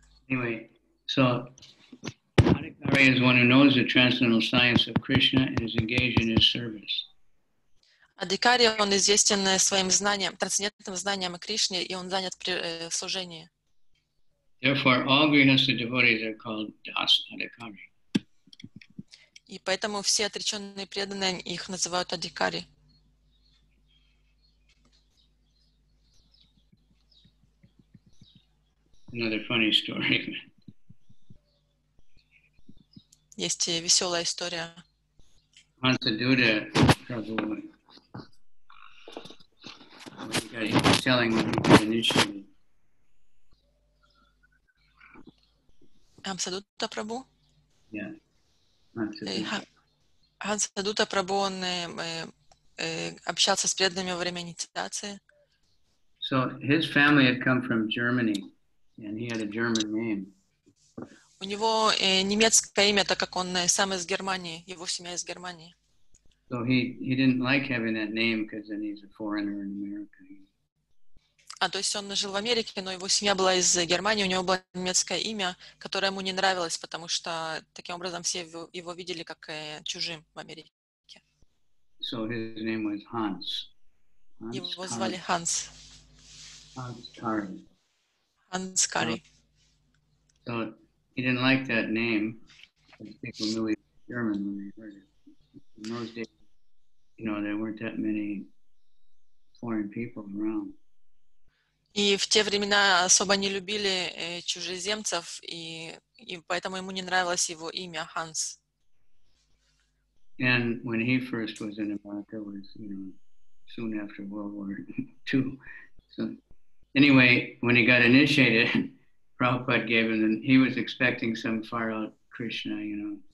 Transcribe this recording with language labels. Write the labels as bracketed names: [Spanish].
[English] Anyway, so Adhikari is one who knows the transcendental science of Krishna and is engaged in his service. [Russian] Adhikari, он известен своим знанием, трансцендентным знанием о Кришне, и он занят при служении. [English] Therefore, all grihastha devotees are called Das Adhikari. [Russian] И поэтому все отреченные преданные их называют Adhikari. [English] Another funny story. [Russian] Есть веселая история. [English] Hansa Duda probably. He was telling when he got initiated. Hansa Duda Prabhu? Yeah. [Russian] Hansa Duda Prabhu, он общался с преданными во время инициации. [English] So his family had come from Germany. And he had a German name. [Russian] У него немецкое имя, так как он сам из Германии, его семья из Германии. [English] So he didn't like having that name because then he's a foreigner in America. [Russian] А то есть он жил в Америке, но его семья была из Германии, у него было немецкое имя, которое ему не нравилось, потому что таким образом все его видели как чужим в Америке. [English] So his name was Hans. [Russian] Его звали Hans. [English] Hans Kari. Hans Kari. So he didn't like that name. People knew he was German when they heard it. In those days, you know, there weren't that many foreign people around. [Russian] И в те времена особо не любили чужеземцев, и поэтому ему не нравилось его имя Hans. [English] And when he first was in America, it was, you know, soon after World War II. So. Anyway, when he got initiated, Prabhupada gave him, he was expecting some far out Krishna, you know,